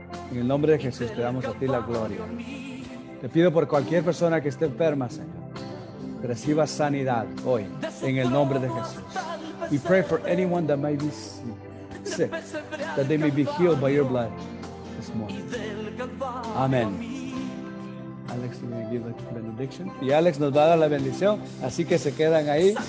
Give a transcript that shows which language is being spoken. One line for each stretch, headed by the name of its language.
Spanish: En el nombre de Jesús te damos a ti la gloria. Te pido por cualquier persona que esté enferma, Señor, que reciba sanidad hoy en el nombre de Jesús.
English: We pray for anyone that may be sick, that they may be healed by your blood this morning. Amen. Alex, you may give the benediction.
Spanish: Y Alex nos va a dar la bendición, así que se quedan ahí.